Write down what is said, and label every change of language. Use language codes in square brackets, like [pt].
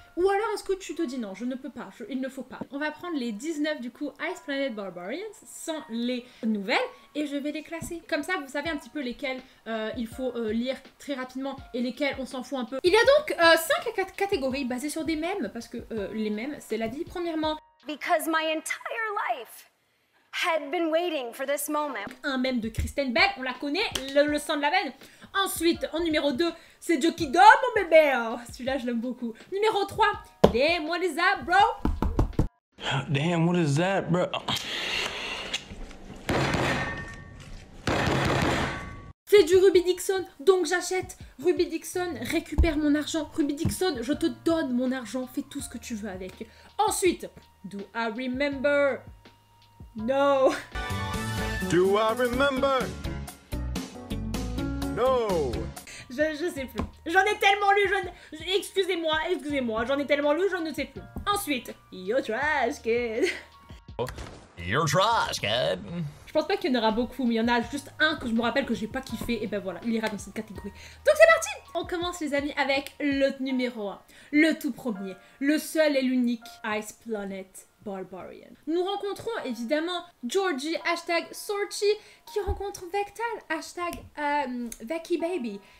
[fr] Ou alors est-ce que tu te dis non, je ne peux pas, il ne faut pas. On va prendre les 19 du coup Ice Planet Barbarians sans les nouvelles et je vais les classer. Comme ça vous savez un petit peu lesquelles il faut lire très rapidement et lesquelles on s'en fout un peu. Il y a donc 5 à 4 catégories basées sur des mèmes parce que les mèmes c'est la vie premièrement. [en] Because my entire life had been waiting for this moment. [fr] Un mème de Kristen Bell, on la connaît, le sang de la veine. Ensuite, en numéro 2, c'est Jocky Dog, mon bébé. Oh, celui-là, je l'aime beaucoup. Numéro 3, [en] Damn, what is that, bro? Damn, what is that, bro? [fr] C'est du Ruby Dixon, donc j'achète. Ruby Dixon, récupère mon argent. Ruby Dixon, je te donne mon argent. Fais tout ce que tu veux avec. [en] Ensuite, Do I remember? No. Do I remember? No. [fr] Je sais plus. J'en ai tellement lu, excusez-moi, j'en ai tellement lu, je ne sais plus. [en] Ensuite, you're trash, kid. You're trash, kid. [fr] Je pense pas qu'il y en aura beaucoup, mais il y en a juste un que je me rappelle que j'ai pas kiffé, et ben voilà, il ira dans cette catégorie. Donc c'est parti! On commence les amis avec le numéro 1, le tout premier, le seul et l'unique Ice Planet Barbarian. Nous rencontrons évidemment Georgie, hashtag Sorchi, qui rencontre Vectal, hashtag Vecky Baby.